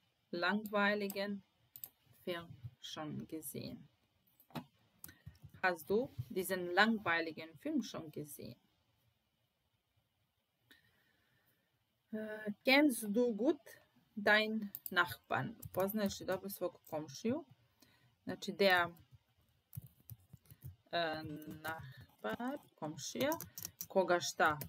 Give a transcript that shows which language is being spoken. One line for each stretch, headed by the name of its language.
German: langweiligen Film schon gesehen? Hast du diesen langweiligen Film schon gesehen? Kennst du gut deinen Nachbarn?
Serbian: Poznajesz dobro svog komšiju? Znači, der Nachbar, komšija, koga šta?